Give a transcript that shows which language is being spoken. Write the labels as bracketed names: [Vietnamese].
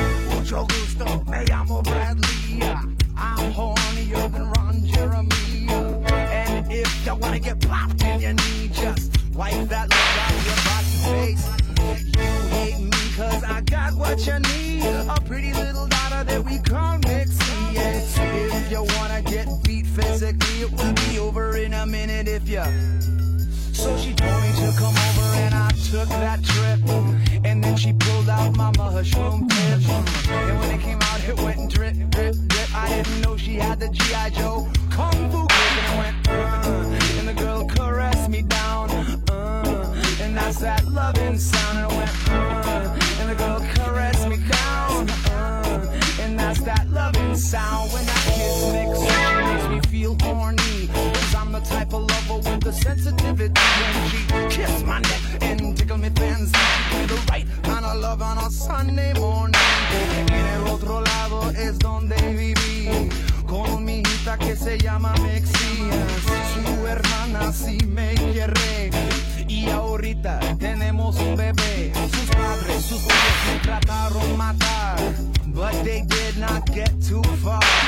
[Spanish] mucho gusto, me llamo Bradley. [English] I'm hornier than Ron Jeremy. And if you wanna get popped in your knee, just wipe that look out of your box face. You hate me cause I got what you need, a pretty little daughter that we call Mixy. If you wanna get beat physically, it will be over in a minute if you... So she told me to come over and I took that trip. And then she pulled out my mushroom tip. And when it came out, it went drip, drip, drip. I didn't know she had the G.I. Joe Kung Fu grip. And it went, and the girl caressed me down, and that's that loving sound. And it went, and the girl caressed me down, and that's that loving sound. When I kiss Mix, she makes me feel horny. Type of lover with the sensitivity. When she kissed my neck and tickled me fancy, the right kind of love on a Sunday morning. [Spanish] En el otro lado es donde viví, con mi hijita que se llama Mexia. Su hermana sí me quiere, y ahorita tenemos un bebé. Sus padres, sus padres me trataron matar, [English] but they did not get too far.